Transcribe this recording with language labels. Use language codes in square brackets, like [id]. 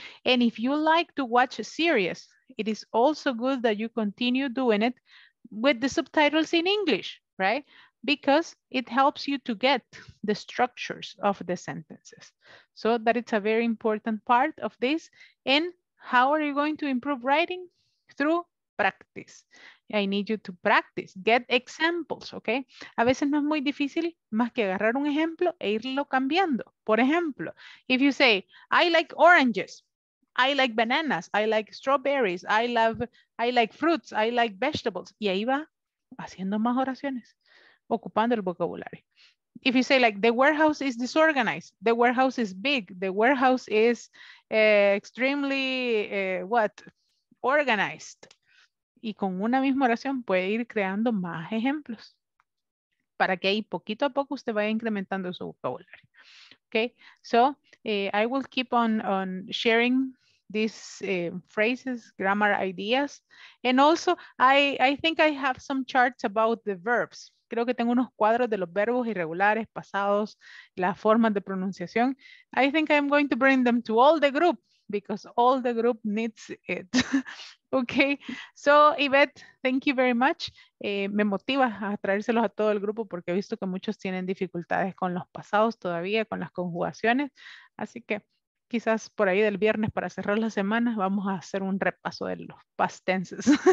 [en] And if you like to watch a series, it is also good that you continue doing it with the subtitles in English, right? Because it helps you to get the structures of the sentences. So that it's a very important part of this. And how are you going to improve writing? Through practice. I need you to practice, get examples, okay? [es] A veces no es muy difícil más que agarrar un ejemplo e irlo cambiando. [en] Por ejemplo, if you say, I like oranges, I like bananas, I like strawberries, I like fruits, I like vegetables. [es] Y ahí va haciendo más oraciones, ocupando el vocabulario. [en] If you say like, the warehouse is disorganized, the warehouse is big, the warehouse is extremely, organized. [es] Y con una misma oración puede ir creando más ejemplos para que ahí poquito a poco usted vaya incrementando su vocabulario. [en] Okay, so I will keep on sharing these phrases, grammar ideas. And also, I think I have some charts about the verbs. [es] Creo que tengo unos cuadros de los verbos irregulares, pasados, las formas de pronunciación. [en] I think I'm going to bring them to all the group because all the group needs it. Okay, so Yvette, thank you very much. [es] Me motiva a traérselos a todo el grupo porque he visto que muchos tienen dificultades con los pasados todavía, con las conjugaciones. Así que quizás por ahí del viernes para cerrar la semana vamos a hacer un repaso de los past tenses.